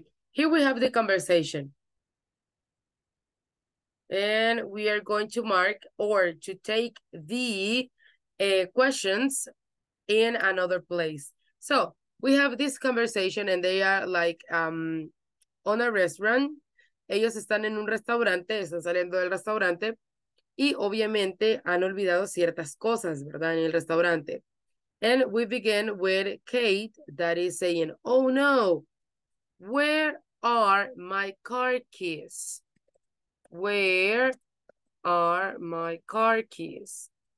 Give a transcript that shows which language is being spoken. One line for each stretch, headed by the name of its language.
English: Here we have the conversation. And we are going to mark or to take the questions in another place. So we have this conversation and they are like on a restaurant.
Spanish: Ellos están en un restaurante, están saliendo del restaurante y obviamente han olvidado ciertas cosas, ¿verdad? En el restaurante.
English: And we begin with Kate that is saying, oh no, where are my car keys? Where are my car keys?